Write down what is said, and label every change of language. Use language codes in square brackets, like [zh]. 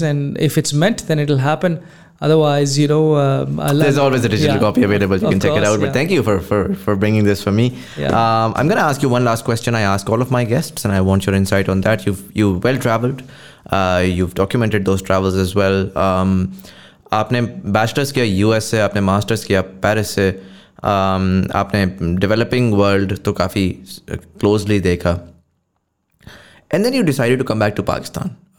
[en] And if it's meant, then it'll happen. Otherwise, you know, there's always a digital copy available. You can check it out. But thank you for bringing this for me. I'm going to ask you one last question. I ask all of my guests, and I want your insight on that. You've well traveled. You've documented those travels as well. [hi] आपने bachelor's किया U.S. से, आपने master's किया Paris से, आपने developing world तो काफी closely देखा. [en] And then you decided to come back to Pakistan.